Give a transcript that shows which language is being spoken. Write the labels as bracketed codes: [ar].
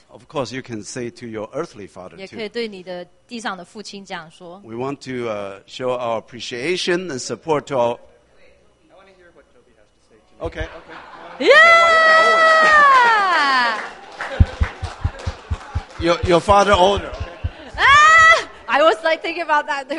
[en] of course, you can say to your earthly father too. [zh] 也可以对你的地上的父亲这样说。 [en] We want to show our appreciation and support to our... I want to hear what Toby has to say to you. Okay. Yeah! your father older. Okay. Ah! I was like thinking about that too.